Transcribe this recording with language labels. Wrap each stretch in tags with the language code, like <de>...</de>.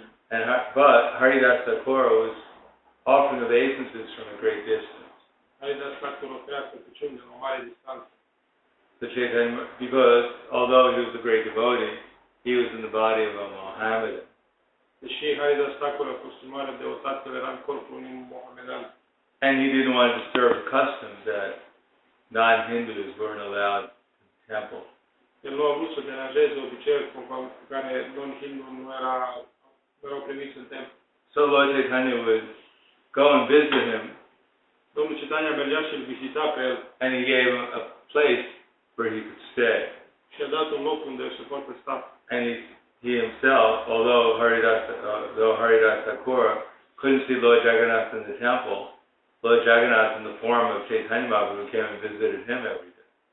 <en>But Haridas Thakur was offering obeisances from a great distance. Because although he was a great devotee, he was in the body of a Mohammedan.</en> <ro>Deși Haridas Thakur a fost un mare devotat, el era în corpul unui mohamedan.</ro> <en>And he didn't want to disturb the custom that non-Hindus weren't allowed in the temple.</en> <ro>El nu a vrut să deranjeze obiceiul conform care non-Hindu nu erau primiți în templu.</ro> <en>So Lord Chaitanya would go and visit him.</en> <ro>Domnul Chaitanya mergea și îl vizita pe el.</ro> <en>And he gave him a place where he could stay.</en> <ro>Și a dat un loc unde se poate sta.</ro> <en>And he himself, although Haridas Thakur couldn't see Lord Jagannath in the temple, Lord Jagannath in the form of Chaitanya Mahaprabhu came and visited him every day.</en>